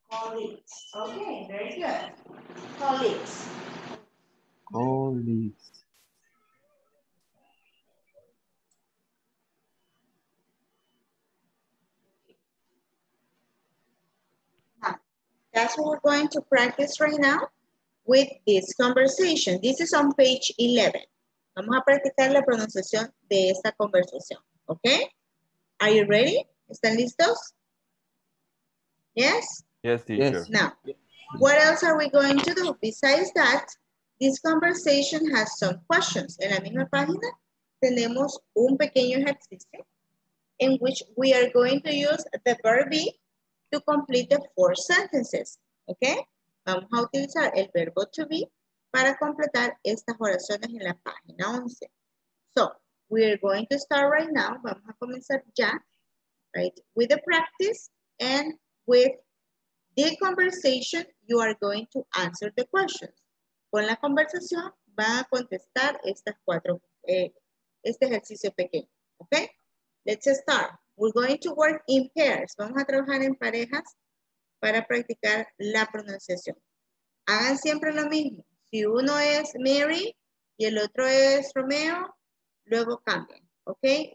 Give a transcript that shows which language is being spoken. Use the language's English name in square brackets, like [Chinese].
[English] Colleagues. Colleagues. Okay, very good. Colleagues. Colleagues. That's what we're going to practice right now with this conversation. This is on page 11. [Spanish] Vamos a practicar la pronunciación de esta conversación. [English] Okay? Are you ready? [Spanish] ¿Están listos? [English] Yes? Yes, teacher. Yes. Now, what else are we going to do? Besides that, this conversation has some questions. [Spanish] En la misma página, tenemos un pequeño ejercicio [English] in which we are going to use the verb be to complete the four sentences. Okay? [Spanish] Vamos a utilizar el verbo to be para completar estas oraciones en la página 11. [English] So, we are going to start right now. [Spanish] Vamos a comenzar ya, [English] right, with the practice and with the conversation, you are going to answer the questions. [Spanish] Con la conversación, va a contestar estas cuatro, este ejercicio pequeño, okay? [English] Let's start. We're going to work in pairs. [Spanish] Vamos a trabajar en parejas para practicar la pronunciación. Hagan siempre lo mismo. Si uno es Mary y el otro es Romeo, luego cambien, okay?